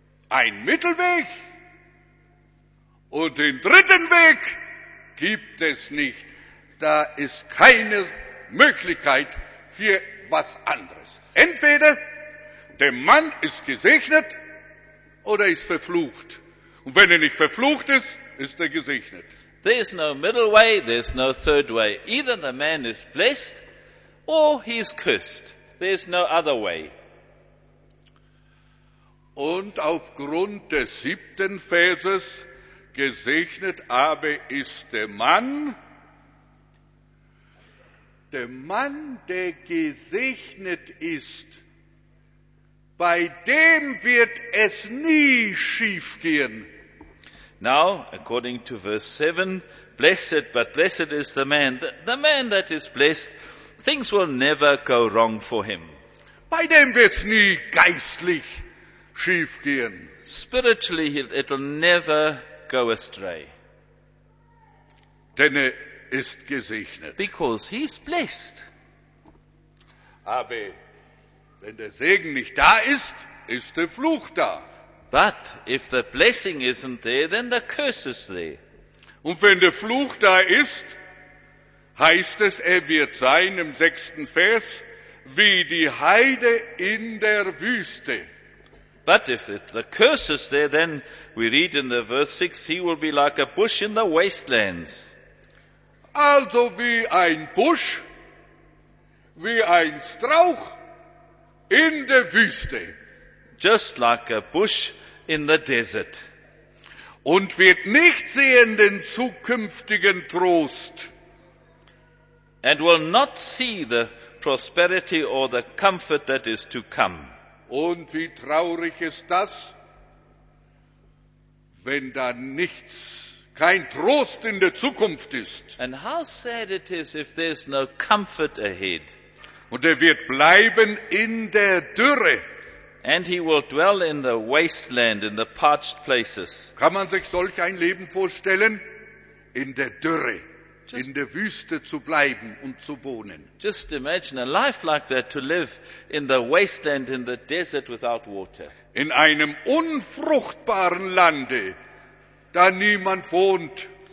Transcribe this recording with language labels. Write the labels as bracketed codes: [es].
[de] Ein Mittelweg und den dritten Weg gibt es nicht. Da ist keine Möglichkeit für was anderes. Entweder der Mann ist gesegnet oder ist verflucht. Und wenn er nicht verflucht ist, ist er gesegnet. [en] There is no middle way, there is no third way. Either the man is blessed or he is cursed. There is no other way. [de] Und aufgrund des siebten Verses, gesegnet aber ist der Mann. Der Mann, der gesegnet ist, bei dem wird es nie schief gehen. [en] Now, according to verse 7, blessed, but blessed is the man. The man that is blessed, things will never go wrong for him. [de] Bei dem wird's nie geistlich schief gehen. [en] Spiritually, it will never go astray. [de] Denn er ist gesegnet. [en] Because he's blessed. [de] Aber wenn der Segen nicht da ist, ist der Fluch da. [en] But if the blessing isn't there, then the curse is there. [de] Und wenn der Fluch da ist, heißt es, er wird sein, im sechsten Vers, wie die Heide in der Wüste. [en] But if the curse is there, then we read in the verse 6, he will be like a bush in the wastelands. [de] Also wie ein Busch, wie ein Strauch in der Wüste. [en] Just like a bush in the desert. [de] Und wird nicht sehen den zukünftigen Trost. [en] And will not see the prosperity or the comfort that is to come. [de] Und wie traurig ist das, wenn da nichts, kein Trost in der Zukunft ist. [en] And how sad it is if there's no comfort ahead. [de] Und er wird bleiben in der Dürre. [en] And he will dwell in the wasteland, in the parched places. [de] Kann man sich solch ein Leben vorstellen? In der Dürre, just, in der Wüste zu bleiben und zu wohnen. [en] Just imagine a life like that, to live in the wasteland, in the desert without water. [de] In einem unfruchtbaren Lande, da niemand wohnt.